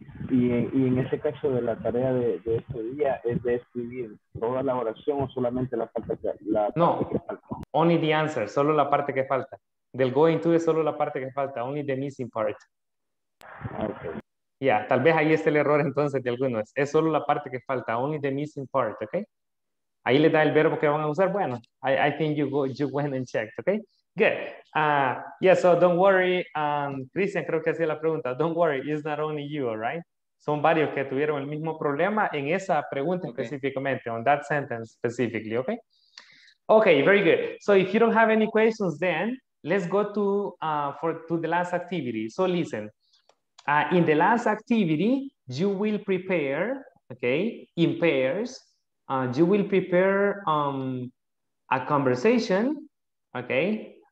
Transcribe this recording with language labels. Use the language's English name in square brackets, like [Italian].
[Spanish] Y en ese caso de la tarea de este día, ¿es de escribir toda la oración o solamente la parte que, la no. parte que falta? No, [English] only the answer, [Spanish] solo la parte que falta. Del going to es solo la parte que falta, [English] only the missing part. [Spanish] Ok. Ya, yeah, tal vez ahí esté el error entonces de algunos. Es solo la parte que falta, [English] only the missing part, [Spanish] ¿ok? Ahí le da el verbo que van a usar. [English] Bueno, I think you went and checked, ¿ok? Good. Yeah, so don't worry. Christian, [Spanish] creo que hacía la pregunta. [English] Don't worry, it's not only you, all right? [Spanish] Son varios que tuvieron el mismo problema en esa pregunta okay. [English] específicamente, on that sentence specifically, ¿ok? Ok, very good. So if you don't have any questions then, let's go to, to the last activity. So listen. In the last activity, you will prepare, okay, in pairs, you will prepare a conversation, okay?